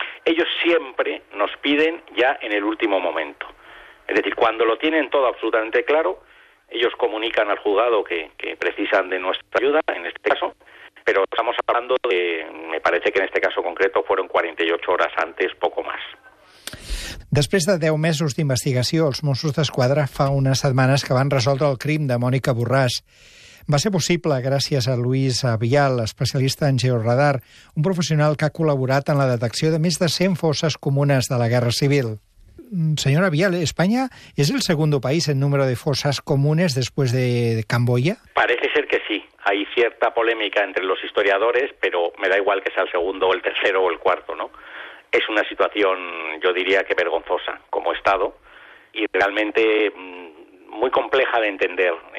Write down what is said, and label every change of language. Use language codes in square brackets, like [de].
[es] Ellos siempre nos piden ya en el último momento. Es decir, cuando lo tienen todo absolutamente claro, ellos comunican al juzgado que precisan de nuestra ayuda, en este caso, pero estamos hablando de, me parece que en este caso concreto, fueron 48 hores antes, poco más. [ca] Després de 10 mesos d'investigació, els Mossos d'Esquadra fa unes setmanes que van resoldre el crim de Mònica Borràs. Va ser possible gràcies a Luis Avial, especialista en georradar, un professional que ha col·laborat en la detecció de més de 100 fosses comunes de la Guerra Civil. [es] Señora Vial, ¿España es el segundo país en número de fosas comunes después de Camboya? Parece ser que sí. Hay cierta polémica entre los historiadores, pero me da igual que sea el segundo, el tercero o el cuarto, ¿no? Es una situación, yo diría que vergonzosa como Estado y realmente muy compleja de entender.